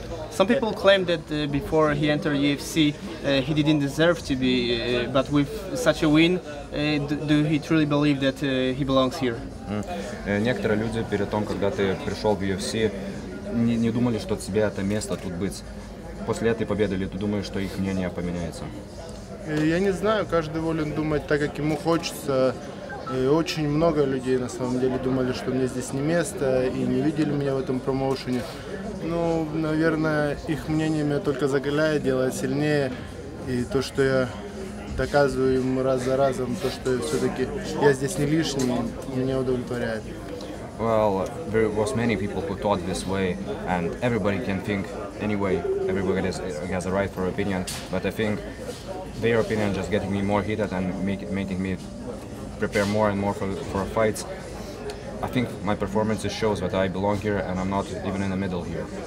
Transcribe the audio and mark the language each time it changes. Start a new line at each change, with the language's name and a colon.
English: Some people claim that before he entered UFC, he didn't deserve to be, but with such a win, do he truly believe that he belongs here?
Russian: Некоторые люди перед тем, когда ты пришел в UFC, не думали, что тебе это место тут быть. После этой победы ли ты думаешь, что их мнение поменяется? Я не знаю, каждый волен думать так, как ему хочется. И очень много людей на самом деле думали, что мне здесь не место и не видели меня в этом промоушене. Ну, наверное, их мнение меня только закаляет, делает сильнее. И то, что я доказываю им раз за разом, то, что все-таки я здесь не лишний, меня удовлетворяет.
English: Well, there was many people who thought this way, and everybody can think anyway. Everybody has a right for opinion, but I think their opinion just getting me more heated and making me prepare more and more for fights. I think my performance shows that I belong here, and I'm not even in the middle here.